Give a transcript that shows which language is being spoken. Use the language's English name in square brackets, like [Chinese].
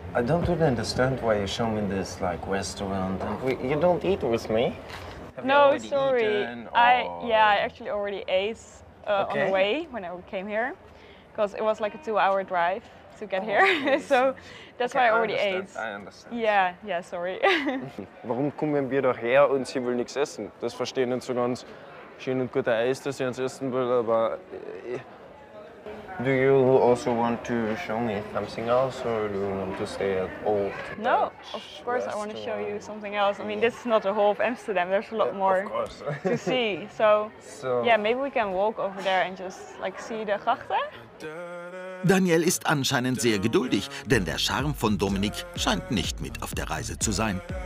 [English] I don't really understand why you show me this like restaurant. And you don't eat with me. Have no, sorry. I actually already ate okay. on the way when I came here, because it was like a two-hour drive to get here. So that's okay, why I already ate. I understand. Yeah, sorry. [German] Warum kommen wir doch her und sie will nichts essen? Das verstehen nicht so ganz. Schön und gut, Eis, dass sie uns essen will, aber. [English] Do you also want to show me something else, or do you want to stay at all? No, of course I want to show you something else. I mean, this is not the whole of Amsterdam. There's a lot more to see. So, yeah, maybe we can walk over there and just like see the grachten. [German] Daniel ist anscheinend sehr geduldig, denn der Charme von Dominik scheint nicht mit auf der Reise zu sein.